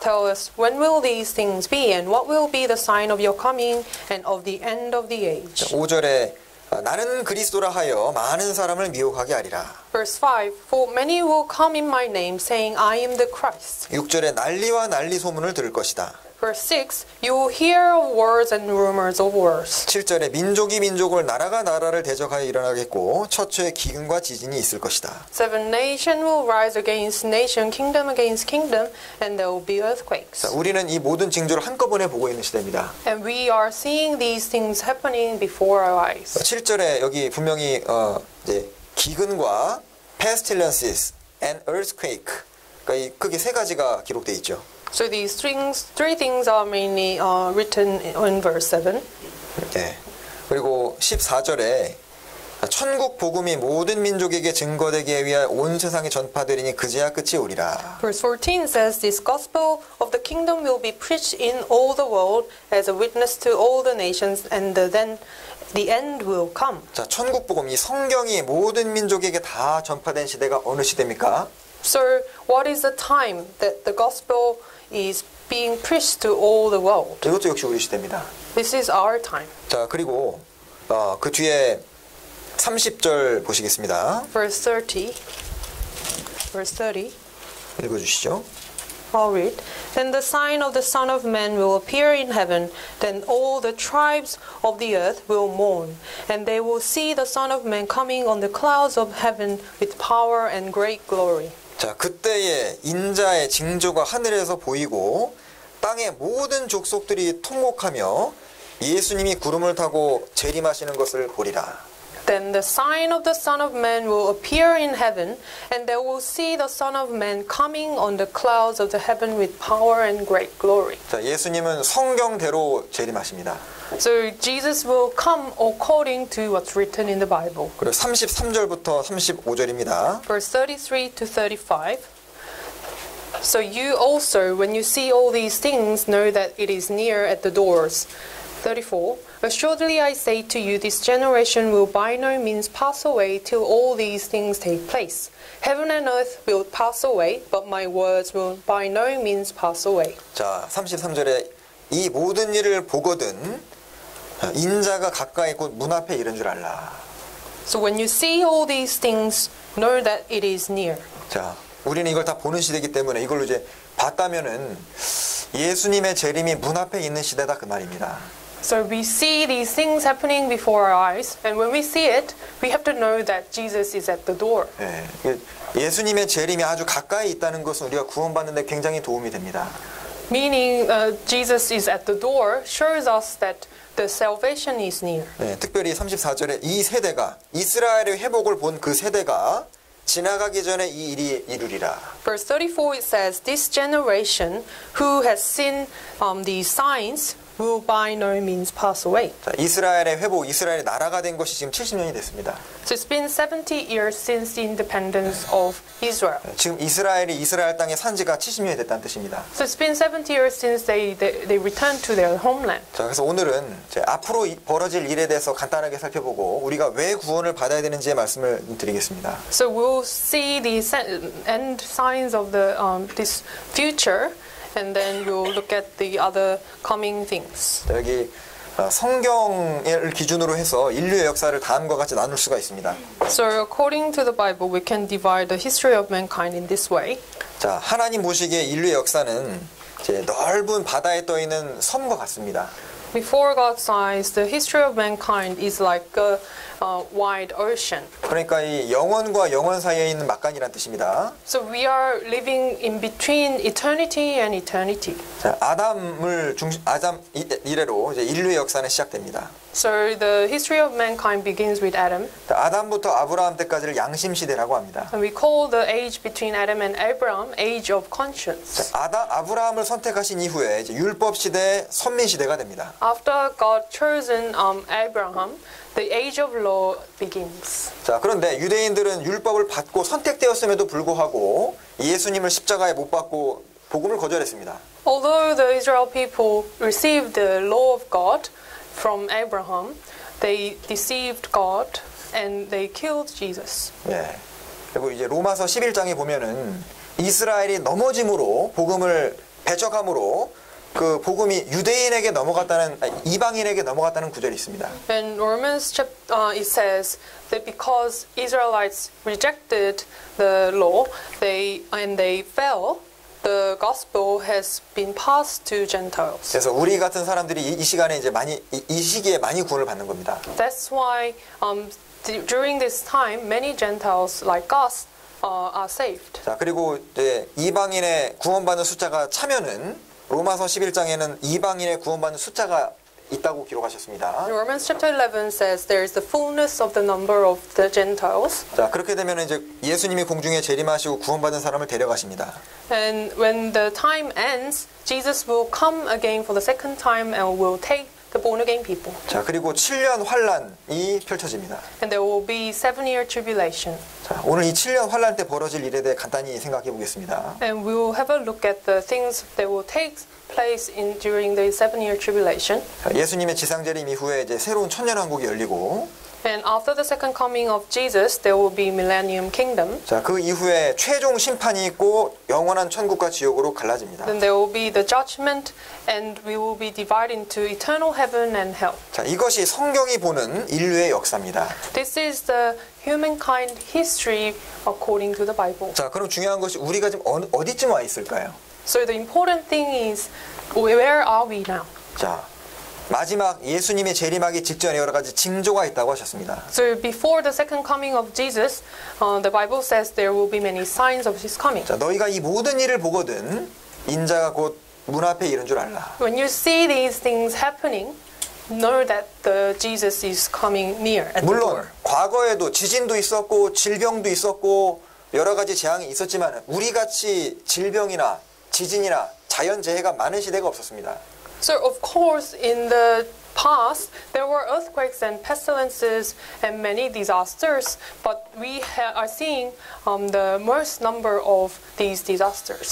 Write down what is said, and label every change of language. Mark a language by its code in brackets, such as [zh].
[en] Tell us, when will these things be and what will be the sign of your coming and of the end of the age? [ko] 자, 5절에 나는 그리스도라 하여 많은 사람을 미혹하게 하리라. [en] Verse 5. For many will come in my name saying I am the Christ. [ko] 6절에 난리와 난리 소문을 들을 것이다. [en] Verse 6. You will hear of wars and rumors of wars. [ko] 7절에 민족이 민족을 나라가 나라를 대적하여 일어나겠고 처처에 기근과 지진이 있을 것이다. [en] 7. Nation will rise against nation, kingdom against kingdom and there will be earthquakes. [ko] 자, 우리는 이 모든 징조를 한꺼번에 보고 있는 시대입니다. [en] And we are seeing these things happening before our eyes. [ko] 7절에 여기 분명히 이제 기근과 [en] pestilences and earthquake. [ko] 그러니까 크게 세 가지가 기록돼 있죠. [en] So these three things are mainly written in verse [ko] 7. 네. 그리고 14절에 천국 복음이 모든 민족에게 증거되기 위하여 온 세상에 전파되리니 그제야 끝이 오리라. [en] Verse 14 says this gospel of the kingdom will be preached in all the world as a witness to all the nations and then the end will come. [ko] 자, 천국 복음 이 성경이 모든 민족에게 다 전파된 시대가 어느 시대입니까? [en] So what is the time that the gospel is being preached to all the world? [ko] 이것도 역시 우리 시대입니다. [en] This is our time. [ko] 자, 그리고 그 뒤에 30절 보시겠습니다. [en] Verse 30. [ko] 읽어주시죠. [en] I'll read. Then the sign of the Son of Man will appear in heaven. Then all the tribes of the earth will mourn. And they will see the Son of Man coming on the clouds of heaven with power and great glory. [ko] 자, 그때에 인자의 징조가 하늘에서 보이고 땅의 모든 족속들이 통곡하며 예수님이 구름을 타고 재림하시는 것을 보리라. [en] Then the sign of the Son of Man will appear in heaven and they will see the Son of Man coming on the clouds of the heaven with power and great glory. [ko] 자, 예수님은 성경대로 재림하십니다. [en] So Jesus will come according to what's written in the Bible. [ko] 그리고 33절부터 35절입니다. [en] Verse 33 to 35. So you also, when you see all these things, know that it is near at the doors. 34. Assuredly I say to you, this generation will by no means pass away till all these things take place. Heaven and earth will pass away, but my words will by no means pass away. [ko] 자, 33절에 이 모든 일을 보거든 인자가 가까이 있고 문 앞에 이른 줄 알라. [en] So when you see all these things, know that it is near. [ko] 자, 우리는 이걸 다 보는 시대이기 때문에 이걸로 이제 봤다면은 예수님의 재림이 문 앞에 있는 시대다 그 말입니다. [en] So we see these things happening before our eyes, and when we see it, we have to know that Jesus is at the door. [ko] 예, 예수님의 재림이 아주 가까이 있다는 것은 우리가 구원받는데 굉장히 도움이 됩니다. [en] Meaning Jesus is at the door shows us that the salvation is near. [ko] 네, 특별히 34절에 이 세대가 이스라엘의 회복을 본 그 세대가 지나가기 전에 이 일이 이루리라. [en] Verse 34 it says this generation who has seen these signs will by no means pass away. [ko] 자, 이스라엘의 회복, 이스라엘의 나라가 된 것이 지금 70년이 됐습니다. [en] So it's been 70 years since the independence of Israel. [ko] 지금 이스라엘이 이스라엘 땅에 산 지가 70년이 됐다는 뜻입니다. [en] So it's been 70 years since they returned to their homeland. [ko] 자, 그래서 오늘은 이제 앞으로 벌어질 일에 대해서 간단하게 살펴보고 우리가 왜 구원을 받아야 되는지 말씀을 드리겠습니다. [en] So we'll see the end signs of the this future. And then you'll look at the other coming things. [ko] 여기 성경을 기준으로 해서 인류의 역사를 다음과 같이 나눌 수가 있습니다. [en] So according to the Bible, we can divide the history of mankind in this way. [ko] 자, 하나님 보시기에 인류의 역사는 넓은 바다에 떠 있는 섬과 같습니다. [en] Before God's eyes, the history of mankind is like a wide ocean. [ko] 그러니까 이 영원과 영원 사이에 있는 막간이란 뜻입니다. [en] So we are living in between eternity and eternity. [ko] 자, 아담을 아담 이래로 이제 인류의 역사는 시작됩니다. [en] So the history of mankind begins with Adam. [ko] 아담부터 아브라함 때까지를 양심 시대라고 합니다. [en] And we call the age between Adam and Abraham age of conscience. [ko] 아브라함을 선택하신 이후에 이제 율법 시대, 선민 시대가 됩니다. [en] After God chosen Abraham, the age of law begins. [ko] 자, 그런데 유대인들은 율법을 받고 선택되었음에도 불구하고 예수님을 십자가에 못 박고 복음을 거절했습니다. [en] Although the Israel people received the law of God from Abraham, they deceived God and they killed Jesus. [ko] 예. 그리고 이제 로마서 11장에 보면은 이스라엘이 넘어짐으로 복음을 배척함으로 그 복음이 유대인에게 넘어갔다는 이방인에게 넘어갔다는 구절이 있습니다. [en] And Romans chapter it says that because Israelites rejected the law, they fell. The gospel has been passed to Gentiles. [ko] 그래서 우리 같은 사람들이 이 시간에 이제 많이 이 시기에 많이 구원을 받는 겁니다. [en] That's why during this time many Gentiles like us are saved. [ko] 자, 그리고 이제 이방인의 구원받는 숫자가 차면은 로마서 11장에는 이방인의 구원받는 숫자가 있다고 기록하셨습니다. [en] Romans chapter 11 says there is the fullness of the number of the Gentiles. [ko] 자, 그렇게 되면 이제 예수님이 공중에 재림하시고 구원받은 사람을 데려가십니다. [en] And when the time ends, Jesus will come again for the second time and will take the born again people. [ko] 자, 그리고 7년 환란이 펼쳐집니다. [en] And there will be 7-year tribulation. [ko] 자, 오늘 이 7년 환란 때 벌어질 일에 대해 간단히 생각해 보겠습니다. [en] And we will have a look at the things that will take place in during the 7-year tribulation. [ko] 예수님의 지상 재림 이후에 이제 새로운 천년 왕국이 열리고. [en] And after the second coming of Jesus, there will be millennium kingdom. [ko] 자, 그 이후에 최종 심판이 있고 영원한 천국과 지옥으로 갈라집니다. [en] Then there will be the judgment, and we will be divided into eternal heaven and hell. [ko] 자, 이것이 성경이 보는 인류의 역사입니다. [en] This is the humankind history according to the Bible. [ko] 자, 그럼 중요한 것이 우리가 지금 어디쯤 와 있을까요? [en] So the important thing is, where are we now? [ko] 자, 마지막 예수님의 재림하기 직전에 여러 가지 징조가 있다고 하셨습니다. [en] So before the second coming of Jesus, the Bible says there will be many signs of his coming. [ko] 자, 너희가 이 모든 일을 보거든 인자가 곧 문 앞에 이른 줄 알라. [en] When you see these things happening, know that the Jesus is coming near at the door. [ko] 물론 과거에도 지진도 있었고 질병도 있었고 여러 가지 재앙이 있었지만 우리 같이 질병이나 지진이나 자연재해가 많은 시대가 없었습니다. [en] So of course in the past there were earthquakes and pestilences and many disasters, but we are seeing the most number of these disasters.